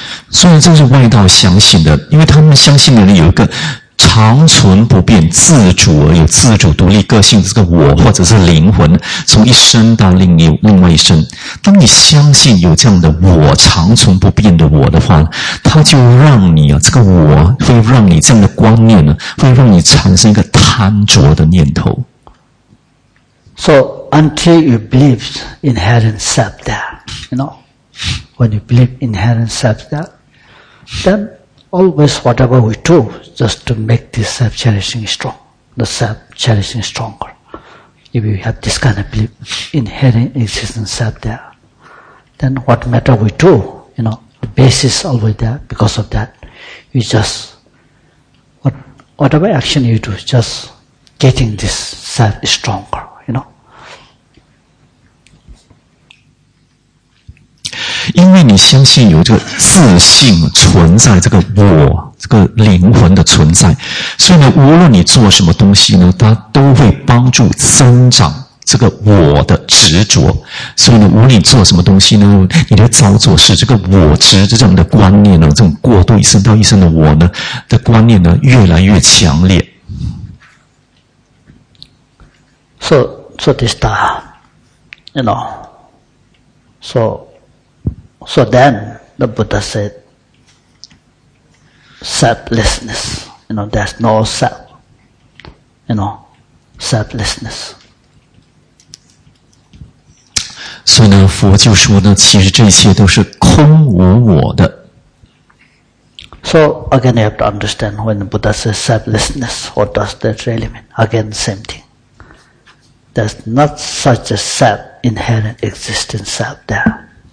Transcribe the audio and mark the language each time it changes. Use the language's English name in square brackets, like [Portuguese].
[Chinese] 所以这是外道相信的，因为他们相信的有一个长存不变、自主而有自主独立个性的这个我，或者是灵魂，从一生到另外一生。当你相信有这样的我、长存不变的我的话，他就让你啊，这个我会让你这样的观念呢，会让你产生一个贪着的念头。 [English] So until you believe inherent self there, you know. When you believe inherent self that, then always whatever we do, just to make this self-cherishing strong, the self-cherishing stronger. If you have this kind of belief, inherent existence self there, then what matter we do, you know, the basis always there, because of that, you just, whatever action you do, just getting this self stronger, you know. [Chinese] 因为你相信有这个自信存在，这个我这个灵魂的存在，所以呢无论你做什么东西呢，它都会帮助增长这个我的执着，所以呢无论你做什么东西呢，你的造作是这个我执这种的观念呢，这种过度一生到一生的我呢的观念呢越来越强烈。 [English] So this time, you know, So then, the Buddha said, selflessness. You know, there's no self. You know, selflessness. [Chinese] 所以呢，佛就说呢，其实这些都是空无我的。 [English] So again, you have to understand when the Buddha says selflessness, what does that really mean? Again, same thing. There's not such a self, inherent existence self there.